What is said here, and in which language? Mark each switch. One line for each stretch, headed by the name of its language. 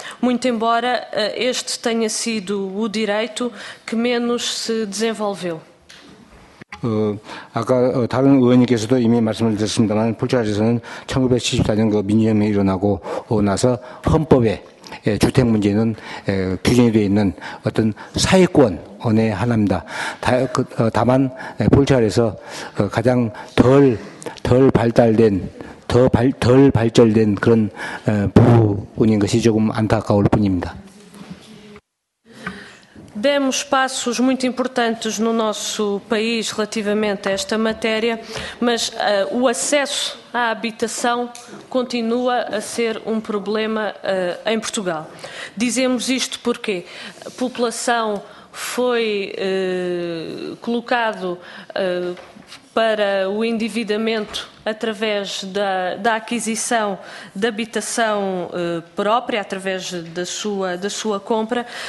Portuguese: Muito embora este tenha sido o direito que menos se desenvolveu.
Korean: 아까 다른 의원님께서도 이미 말씀을 드렸습니다만 폴차에서는 1974년 그 민주혁명이 일어나고 나서 헌법에 주택 문제는 규정이 되어 있는 어떤 사회권의 하나입니다. 다만 폴차에서 가장 덜 발달된 그런 부분인 것이 조금 안타까울 뿐입니다.
Portuguese: Demos passos muito importantes no nosso país relativamente a esta matéria, mas o acesso à habitação continua a ser um problema em Portugal. Dizemos isto porque a população foi colocada para o endividamento através da aquisição da habitação própria, através da sua compra.